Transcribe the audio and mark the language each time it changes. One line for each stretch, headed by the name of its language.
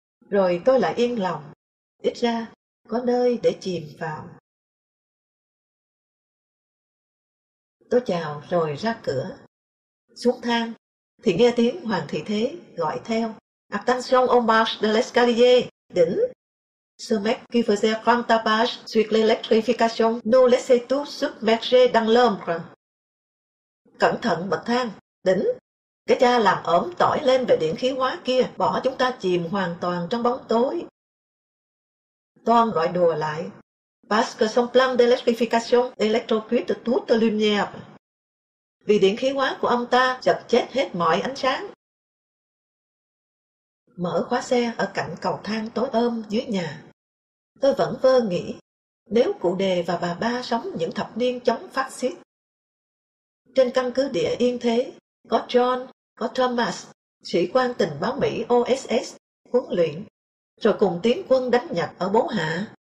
Vietnamese: Rồi tôi lại yên lòng, ít ra có nơi để chìm vào. Tôi chào rồi ra cửa. Xuống thang, thì nghe tiếng Hoàng Thị Thế gọi theo.
French: Attention en marche de l'escalier, Đĩnh. Ce mec qui faisait grand tapage sur l'électrification nous laissait tous submergés dans l'ombre.
Vietnamese: Cẩn thận bậc thang, Đĩnh. Cái cha làm ổm tỏi lên về điện khí hóa kia, bỏ chúng ta chìm hoàn toàn trong bóng tối. Toan gọi đùa lại.
French: Parce que son plan d'électrification électrocute toute lumière.
Vietnamese: Vì điện khí hóa của ông ta dập chết hết mọi ánh sáng. Mở khóa xe ở cạnh cầu thang tối om dưới nhà. Tôi vẫn vơ nghĩ, nếu cụ Đề và bà ba sống những thập niên chống phát xít. Trên căn cứ địa yên thế, có John, có Thomas, sĩ quan tình báo Mỹ OSS, huấn luyện, rồi cùng tiến quân đánh Nhật ở Bố Hạ.